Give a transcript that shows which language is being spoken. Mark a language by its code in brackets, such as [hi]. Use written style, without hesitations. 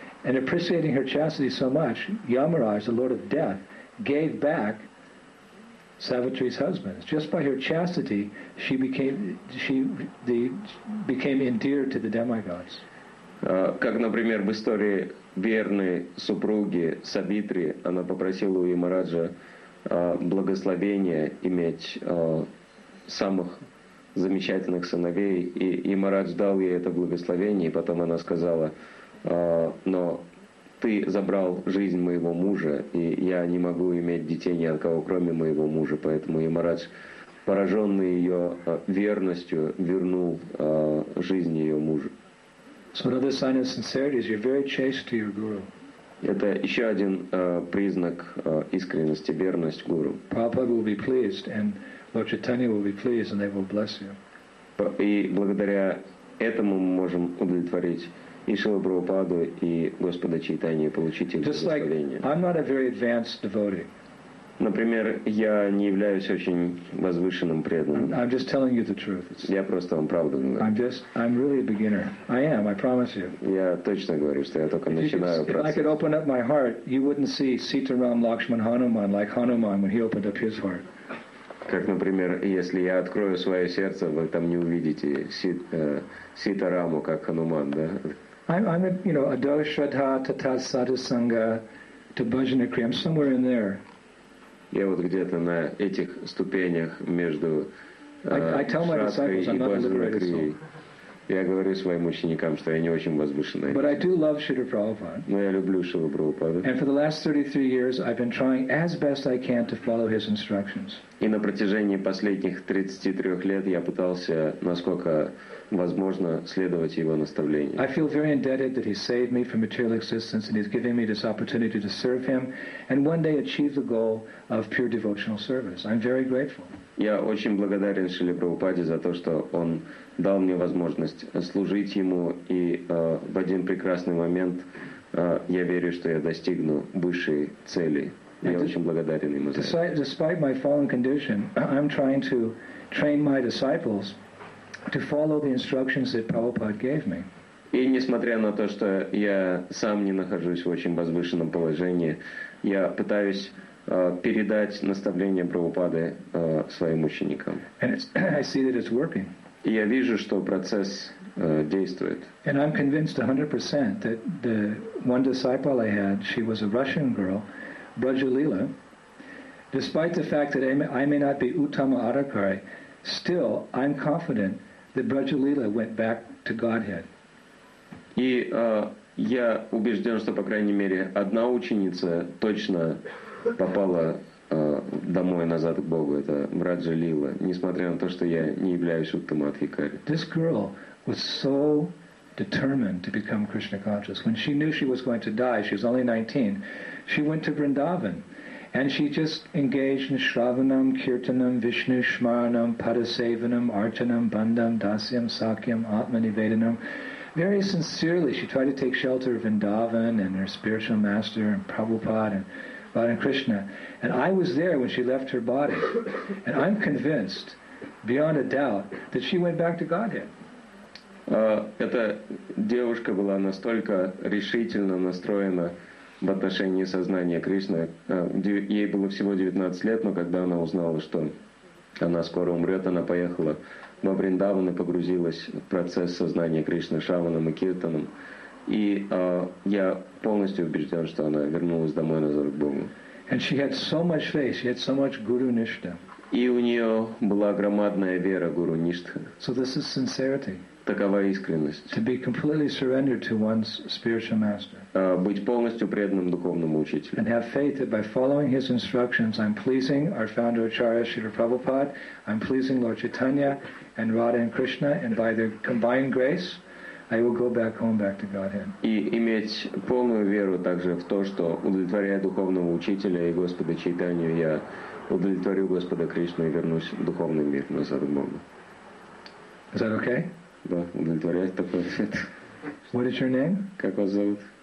[en] And appreciating her chastity so much, Yamaraj, the Lord of Death, gave back Savitri's husband. Just by her chastity, she became endeared to the demigods. [ru] Как, например, в истории верной супруги Савитри, она попросила у Ямараджа благословения иметь самых замечательных сыновей, и Ямарадж дал ей это благословение, и потом она сказала: «Но ты забрал жизнь моего мужа, и я не могу иметь детей ни от кого, кроме моего мужа». Поэтому Ямарадж, пораженный ее верностью, вернул жизнь ее мужу. [en] So another sign of sincerity is you're very chaste to your guru. [ru] Это еще один признак искренности, верность гуру. [en] Prabhupada will be pleased, and Lord Chaitanya will be pleased, and they will bless you. [ru] И благодаря этому мы можем удовлетворить и Шрилу Прабхупаду, и Господа Чайтанью, получить их благословение. [en] Just like, I'm not a very advanced devotee. [ru] Например, я не являюсь очень возвышенным преданным. [en] I'm just telling you the truth. [ru] Я просто вам правду говорю. [en] I'm really a beginner. I am, I promise you. [ru] Я точно говорю, что я только начинаю процесс. [en] If I could open up my heart, you wouldn't see Sitaram Lakshman Hanuman like Hanuman when he opened up his heart. [ru] Как, например, если я открою свое сердце, вы там не увидите Ситараму как Хануман, да? [en] I'm a, you know, Adoshradha, Tathat Sadhusanga, Tabhajanakriya, I'm somewhere in there. [ru] Я вот где-то на этих ступенях между Шрадхой и Бхаджанакрией. Я говорю своим ученикам, что я не очень возвышенный. [en] But I do love Śrīla Prabhupāda. [ru] Но я люблю Śrīla Prabhupāda. [en] And for the last 33 years, I've been trying as best I can to follow his instructions. [ru] И на протяжении последних 33 лет я пытался, насколько возможно, следовать его наставлениям. [en] I feel very indebted that he saved me from material existence, and he's giving me this opportunity to serve him, and one day achieve the goal of pure devotional service. I'm very grateful. [ru] Я очень благодарен Шриле Прабхупаде за то, что он дал мне возможность служить ему, и в один прекрасный момент я верю, что я достигну высшей цели. Я очень благодарен ему за это. [en] Despite my fallen condition, I'm trying to train my disciples to follow the instructions that Prabhupada gave me. [ru] И несмотря на то, что я сам не нахожусь в очень возвышенном положении, я пытаюсь передать наставления Прабхупады своим ученикам. [en] And I see that it's working. [ru] И я вижу, что процесс действует. [en] And I'm convinced 100% that the one disciple I had, she was a Russian girl, Brajalila. Despite the fact that I may not be Uttama Arakari, still I'm confident that Brajalila went back to Godhead. [ru] И я убежден, что, по крайней мере, одна ученица точно попала домой назад к Богу. Это Враджа Лила, несмотря на то, что я не являюсь Уттамадхикари. [en] This girl was so determined to become Krishna conscious. When she knew she was going to die, she was only 19, she went to Vrindavan. And she just engaged in Shravanam, Kirtanam, Vishnu, Shmaranam, Padasevanam, Archanam, Bandham, Dasyam, Sakyam, Atmanivedanam. Very sincerely, she tried to take shelter of Vrindavan and her spiritual master and Prabhupada and Radha Krishna. And I was there when she left her body. And I'm convinced, beyond a doubt, that she went back to Godhead. [ru] Эта девушка была настолько решительно настроена в отношении сознания Кришны. Ей было всего 19 лет, но когда она узнала, что она скоро умрет, она поехала во Вриндаван и погрузилась в процесс сознания Кришны Шраваном и Киртаном. И я полностью убежден, что она вернулась домой назад к Богу. [en] And she had so much faith, she had so much Guru Nishtha. [ru] И у нее была громадная вера Гуру Ништха. [en] So this is sincerity. [ru] Такова искренность. [en] To be completely surrendered to one's spiritual master. [ru] Быть полностью преданным духовному учителю. [en] And have faith that by following his instructions, I'm pleasing our founder Acharya Srila Prabhupada, I'm pleasing Lord Chaitanya and Radha and Krishna, and by their combined grace, I will go back home, back to Godhead. [ru] И иметь полную веру также в то, что удовлетворяя духовному учителя и Господа Чайтанью, я удовлетворю Господа Кришну и вернусь в духовный мир назад к Богу. [en] Is that okay? [ru] Да, удовлетворять такой ответ. [en] What is your name? [ru] Как вас зовут?